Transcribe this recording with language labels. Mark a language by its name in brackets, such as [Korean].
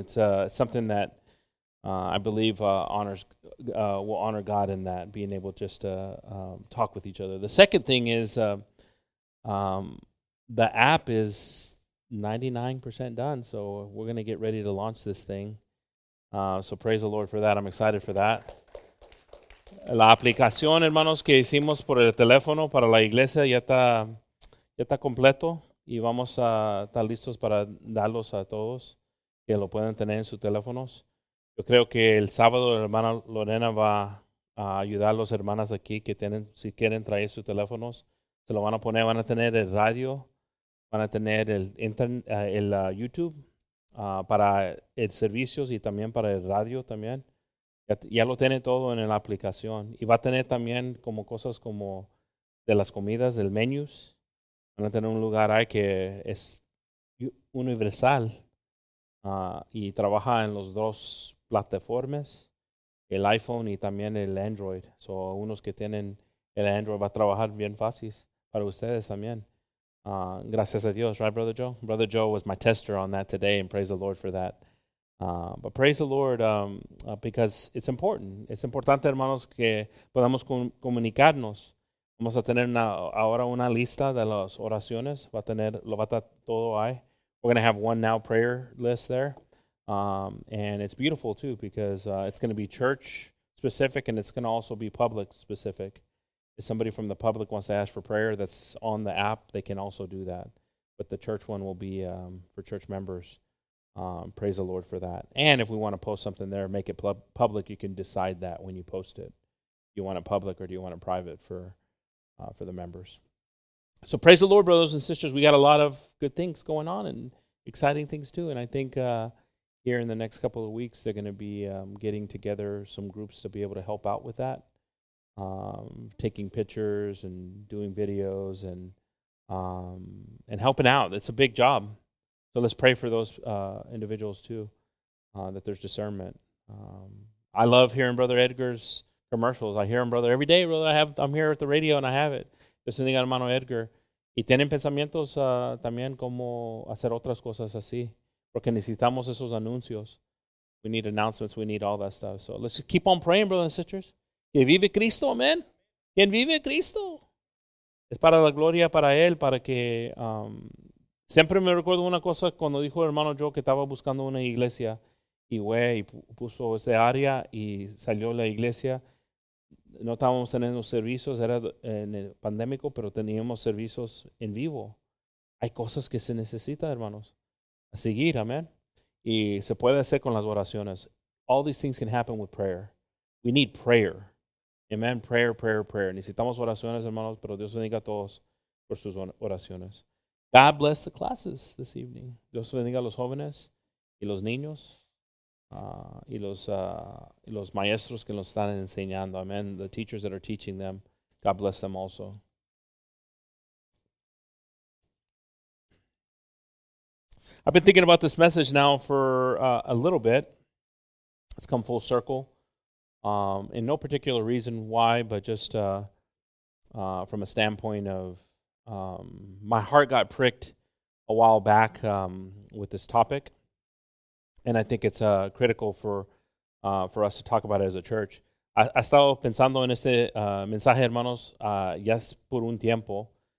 [English] It's something that I believe will honor God in that, being able just to talk with each other. The second thing is the app is 99% done, so we're going to get ready to launch this thing. So praise the Lord for that. I'm excited for that. [Spanish] La aplicación, hermanos, que hicimos por el teléfono para la iglesia ya está completo y vamos a estar listos para darlos a todos que lo puedan tener en sus teléfonos. Yo creo que el sábado la hermana Lorena va a ayudar a las hermanas aquí que tienen, si quieren traer sus teléfonos, se lo van a poner, van a tener el radio, van a tener el YouTube para el servicios y también para el radio también. Ya lo tiene todo en la aplicación. Y va a tener también como cosas como de las comidas, del menus. Van a tener un lugar ahí que es universal y trabaja en los dos plataformas, el iPhone y también el Android. So, unos que tienen el Android va a trabajar bien fácil para ustedes también. Gracias a Dios, right, Brother Joe? [English] Brother Joe was my tester on that today, and praise the Lord for that. But praise the Lord because it's important. [Spanish] It's importante, hermanos, que podamos comunicarnos. Vamos a tener ahora una lista de las oraciones. Va a tener, lo va a estar todo ahí. [English] We're going to have one now prayer list there. And it's beautiful, too, because it's going to be church-specific, and it's going to also be public-specific. If somebody from the public wants to ask for prayer that's on the app, they can also do that. But the church one will be for church members. Praise the Lord for that. And if we want to post something there, make it public, you can decide that when you post it. Do you want it public or do you want it private for the members? So praise the Lord, brothers and sisters. We got a lot of good things going on and exciting things too. And I think here in the next couple of weeks, they're going to be getting together some groups to be able to help out with that. Taking pictures and doing videos and helping out. It's a big job. So let's pray for those individuals too, that there's discernment. I love hearing Brother Edgar's commercials. I hear them, brother, every day, brother. I'm here at the radio and I have it. [Spanish] Yo soy hermano Edgar. Y tienen pensamientos también como hacer otras cosas así. Porque necesitamos esos anuncios. [English] We need announcements. We need all that stuff. So let's keep on praying, brothers and sisters. [Spanish] Que vive Cristo, amen. Quien vive Cristo. Es para la gloria para él, para que... Siempre me recuerdo una cosa cuando dijo el hermano Joe que estaba buscando una iglesia. Y güey, puso este área y salió la iglesia. No estábamos teniendo servicios, era en el pandémico, pero teníamos servicios en vivo. Hay cosas que se necesitan, hermanos. A seguir, amén. Y se puede hacer con las oraciones. [English] All these things can happen with prayer. We need prayer. Amen. Prayer, prayer, prayer. [Spanish] Necesitamos oraciones, hermanos, pero Dios bendiga a todos por sus oraciones. [English] God bless the classes this evening. [Spanish] Dios bendiga a los jóvenes y los niños. Y los maestros que los están enseñando, amen. [English] The teachers that are teaching them, God bless them also. I've been thinking about this message now for a little bit. It's come full circle. In no particular reason why, but just from a standpoint of my heart got pricked a while back with this topic. And I think it's critical for us to talk about it as a church. [Spanish] I estaba pensando en este mensaje, hermanos, ya es por un tiempo.